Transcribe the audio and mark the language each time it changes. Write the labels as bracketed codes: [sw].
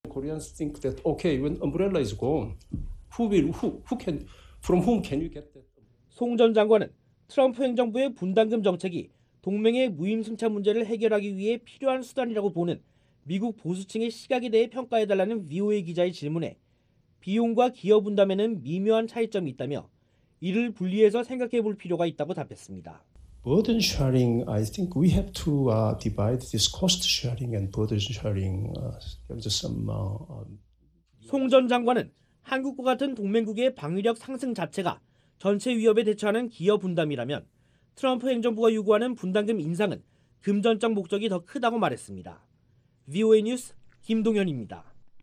[en] Koreans think that okay, when umbrella is gone, who can, from whom can you get that? [ko] 송 전 장관은 트럼프 행정부의 분담금 정책이 동맹의 무임승차 문제를 해결하기 위해 필요한 수단이라고 보는 미국 보수층의 시각에 대해 평가해달라는 VOA 기자의 질문에 비용과 기여 분담에는 미묘한 차이점이 있다며 이를 분리해서 생각해 볼 필요가 있다고 답했습니다. [en] Burden sharing, I think we have to divide this cost sharing and burden sharing. Some [ko] 송 전 장관은 한국과 같은 동맹국의 방위력 상승 자체가 전체 위협에 대처하는 기여 분담이라면 트럼프 행정부가 요구하는 분담금 인상은 금전적 목적이 더 크다고 말했습니다. VOA 뉴스 김동현입니다.